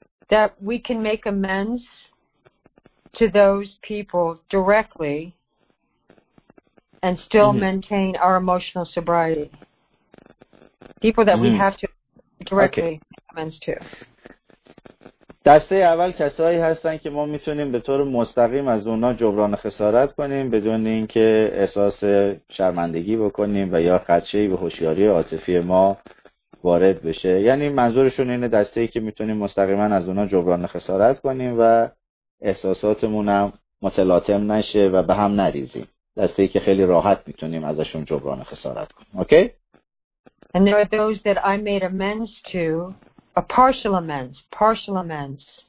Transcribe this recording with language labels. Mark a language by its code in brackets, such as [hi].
[en] That we can make amends to those people directly and still maintain our emotional sobriety. People that we have to directly make amends to. [fa] دسته اول کسایی هستن که ما میتونیم به طور مستقیم از اونا جبران خسارت کنیم بدون اینکه احساس شرمندگی بکنیم و یا خدشه‌ای به هوشیاری عاطفی ما وارد بشه. یعنی منظورشون اینه دسته ای که میتونیم مستقیما از اونا جبران خسارت کنیم و احساساتمونم متلاطم نشه و به هم نریزیم. دسته ای که خیلی راحت میتونیم ازشون جبران خسارت کنیم. اوکی؟ [en] And there are those that I made amends to, a partial amends.